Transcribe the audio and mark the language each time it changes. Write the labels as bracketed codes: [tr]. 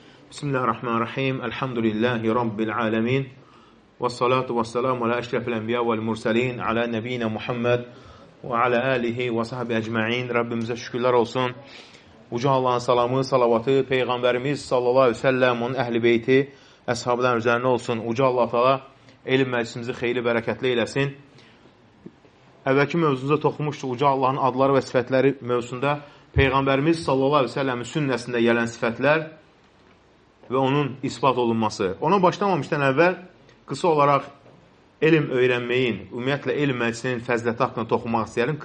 [ar] بسم الله الرحمن الرحيم الحمد لله رب العالمين والصلاة والسلام على أشرف الأنبياء والمرسلين على نبينا محمد وعلى آله وصحبه أجمعين ربنا شكرا olsun. [az] Uca Allah'ın salamı, salavatı, Peygamberimiz sallallahu aleyhi ve sellem, onun ehli beyti, ashabların üzerine olsun. Uca Allah Teala elm meclisimizi xeyli bərəkətli eləsin. Əvvəlki mövzumuza toxunmuşdu, Uca Allah'ın adları və sifətləri mövzusunda Peygamberimiz sallallahu aleyhi ve sellem'in sünnəsində gələn sifətlər və onun ispat olunması. Ona başlamamışdan əvvəl, qısa olaraq elm öyrənməyin, ümumiyyətlə elm meclisinin fəzliyyəti haqqında toxunmaq istəyərim.